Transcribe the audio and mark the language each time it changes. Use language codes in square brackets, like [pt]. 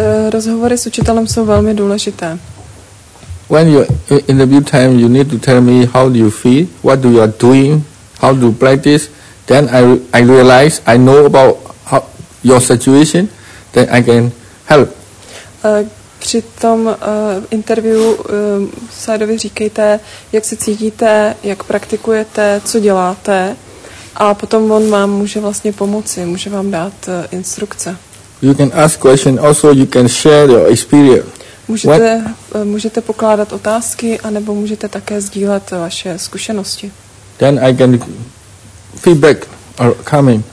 [cs] Rozhovory s učitelem jsou velmi důležité. [en] When you interview time, you need to tell me how do you feel, what do you are doing, how do you practice. Then I realize I know about how, your situation, then I can help. [cs] Při tom interview Sajdovi říkejte, jak se cítíte, jak praktikujete, co děláte, a potom on vám může vlastně pomoci, může vám dát instrukce. [en] You can ask questions, also you can share your experience. [cs] Můžete pokládat otázky, anebo můžete také sdílet vaše zkušenosti. [en] Then I can feedback or coming.